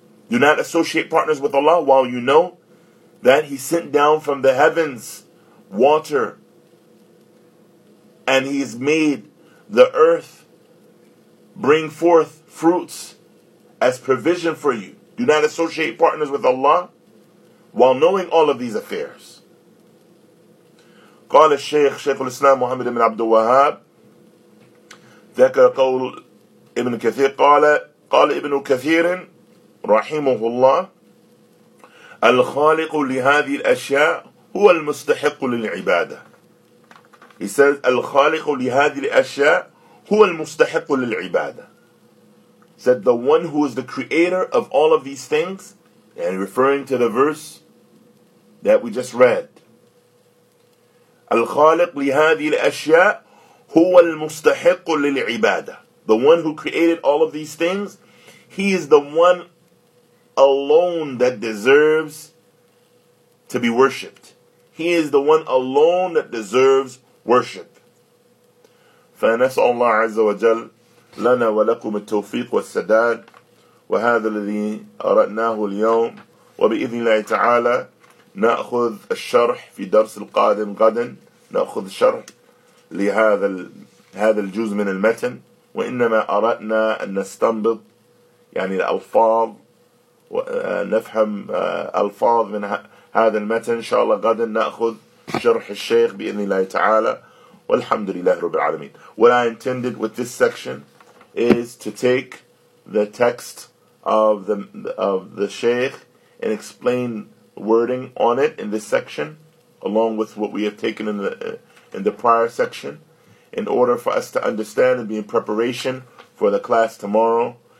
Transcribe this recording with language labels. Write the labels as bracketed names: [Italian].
[English] Do not associate partners with Allah while you know that He sent down from the heavens water, and He has made the earth bring forth fruits as provision for you. Do not associate partners with Allah while knowing all of these affairs. [Arabic] قال الشيخ شيخ الإسلام محمد بن عبد الوهاب ذكر قول ابن كثير قال ابن كثير رحمه الله الخالق لهذه الأشياء هو المستحق للعبادة. [English] He says [Arabic] الخالق لهذه الأشياء هو المستحق للعبادة. [English] Said the one who is the creator of all of these things, and referring to the verse that we just read, [Arabic] الخالق لهذه الأشياء هو المستحق للعبادة. [English] The one who created all of these things, he is the one alone that deserves to be worshipped. He is the one alone that deserves worship. [Arabic] فنسأل الله عز وجل لنا ولكم التوفيق والسداد وهذا الذي أردناه اليوم وبإذن الله تعالى نأخذ الشرح في درس القادم غدا نأخذ شرح لهذا الجزء من المتن وإنما أردنا أن نستنبط يعني الألفاظ ونفهم ألفاظ من هذا المتن إن شاء الله غدا نأخذ شرح الشيخ بإذن الله تعالى والحمد لله رب العالمين. [English] What I intended with this section is to take the text of the Shaykh and explain wording on it in this section, along with what we have taken in the prior section, in order for us to understand and be in preparation for the class tomorrow.